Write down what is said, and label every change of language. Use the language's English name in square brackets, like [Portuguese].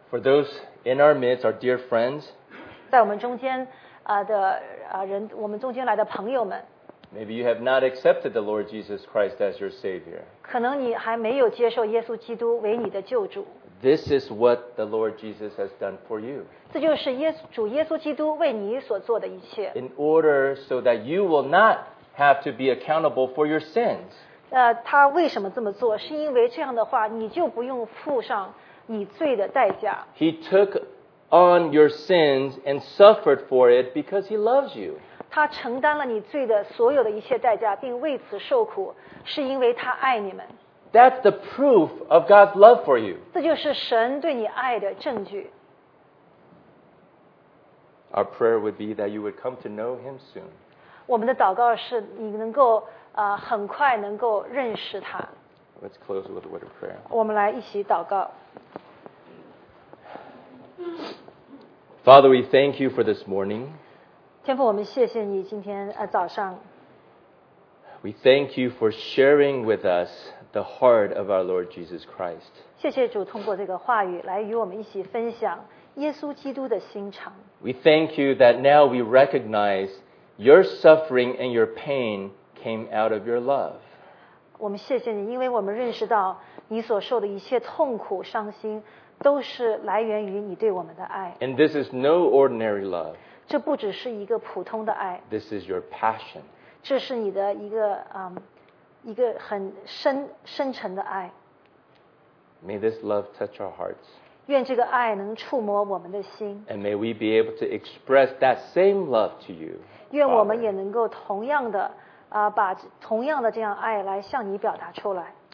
[English] For those in our midst, our dear friends, [Chinese] 在我们中间的人，我们中间来的朋友们。 [English] Maybe you have not accepted the Lord Jesus Christ as your Savior. [Chinese] 可能你还没有接受耶稣基督为你的救主。 [English] This is what the Lord Jesus has done for you. [Chinese] 这就是主耶稣基督为你所做的一切。 [English] In order so that you will not have to be accountable for your sins. [Chinese] 他为什么这么做？是因为这样的话，你就不用付上你罪的代价。 [English] He took on your sins and suffered for it because he loves you. [Chinese] 他承担了你罪的所有的一切代价，并为此受苦，是因为他爱你们。 [English] That's the proof of God's love for you. [Chinese] 这就是神对你爱的证据。 [English] Our prayer would be that you would come to know him soon. [Chinese] 我们的祷告是你能够很快能够认识他。 [English] Let's close with a word of prayer. [Chinese] 我们来一起祷告。 [English] Father, we thank you for this morning. [Chinese] 天父，我们谢谢你今天早上。 [English] We thank you for sharing with us the heart of our Lord Jesus Christ. [Chinese] 谢谢主通过这个话语来与我们一起分享耶稣基督的心肠。 [English] We thank you that now we recognize your suffering and your pain came out of your love. [Chinese] 我们谢谢你，因为我们认识到你所受的一切痛苦、伤心都是来源于你对我们的爱。 [English] And this is no ordinary love. [Chinese] 这不只是一个普通的爱。 [English] This is your passion. [Chinese] 这是你的一个很深沉的爱。 [English] May this love touch our hearts. [Chinese] 愿这个爱能触摸我们的心。 [English] And may we be able to express that same love to you. [Chinese] 愿我们也能够同样的把同样的这样爱来向你表达出来。